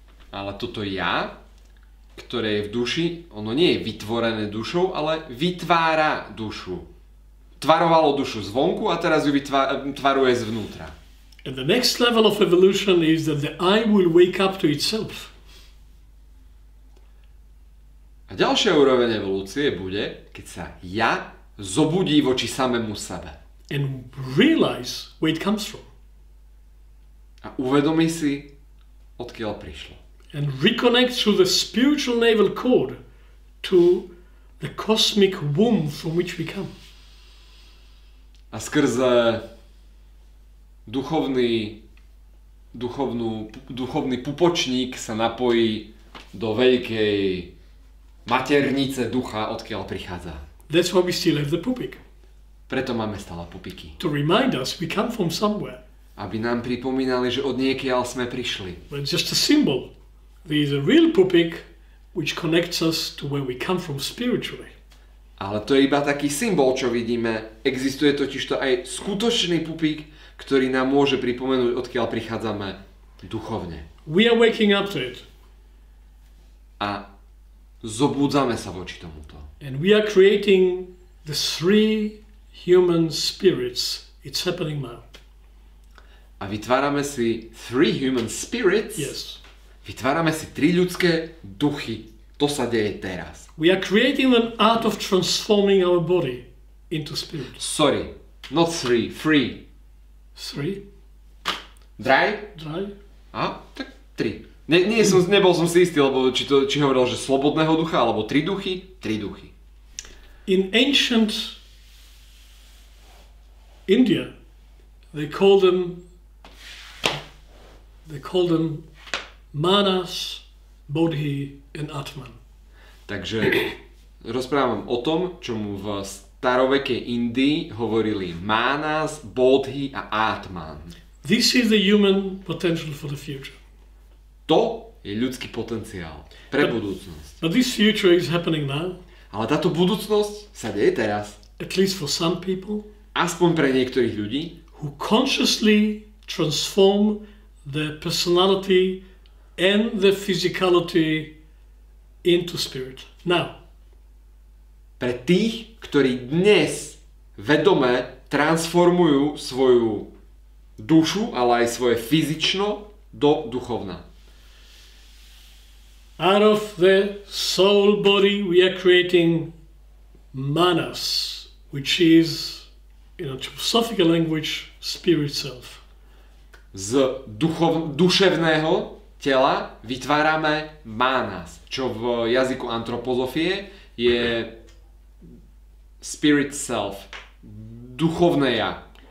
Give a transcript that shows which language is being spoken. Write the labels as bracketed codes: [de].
[sk] Ale toto ja, ktoré je v duši, ono nie je vytvorené dušou, ale vytvára dušu. Tvarovalo dušu zvonku a teraz ju tvaruje zvnútra. [en] And the next level of evolution is that the I will wake up to itself. [sk] A ďalšia úroveň evolúcie bude, keď sa ja zobudí voči samému sebe. [en] And realize where it comes from. [sk] A uvedomí si, odkiaľ prišlo. [en] And reconnect through the spiritual navel cord to the cosmic womb from which we come. [sk] A skrze duchovný pupočník sa napojí do veľkej maternice ducha, odkiaľ prichádza. [en] That's why we still have the pupik. [sk] Preto máme stále pupiky. [en] To remind us we come from somewhere. [sk] Aby nám pripomínali, že odniekiaľ sme prišli. [en] But it's just a symbol. There is a real pupik which connects us to where we come from spiritually. [sk] Ale to je iba taký symbol, čo vidíme. Existuje totiž to aj skutočný pupik, ktorý nám môže pripomenúť, odkiaľ prichádzame duchovne. [en] We are waking up to it. [sk] A zobúdzame sa voči tomuto. [en] And we are creating the three human spirits. It's happening now. [sk] A vytvárame si [en] three human spirits. Yes. [sk] Vytvárame si tri ľudské duchy. To sa deje teraz. [en] We are creating them out of transforming our body into spirit. Sorry, not three, three. Three? Dry? Dry. [sk] A, tak tri. Nebol som si istý, lebo či hovoril, že slobodného ducha, alebo tri duchy? Tri duchy. [en] In ancient India, they call them Manas, Bodhi and Atman. [sk] Takže rozprávam o tom, čo mu v starovekej Indii hovorili Manas, Bodhi a Atman. [en] This is the human potential for the future. [sk] To je ľudský potenciál pre budúcnosť. [en] But this future is happening now. [sk] Ale táto budúcnosť sa deje teraz. [en] At least for some people. [sk] Aspoň pre niektorých ľudí. [en] Who consciously transform their personality and the physicality into spirit. Now. [sk] Pre tých, ktorí dnes vedome transformujú svoju dušu, ale aj svoje fyzično do duchovna. [en] Out of the soul body we are creating manas, which is in anthroposophical language spirit self. [sk] Z duševného tela vytvárame manas, čo v jazyku antropozofie je spirit self, duchovné ja.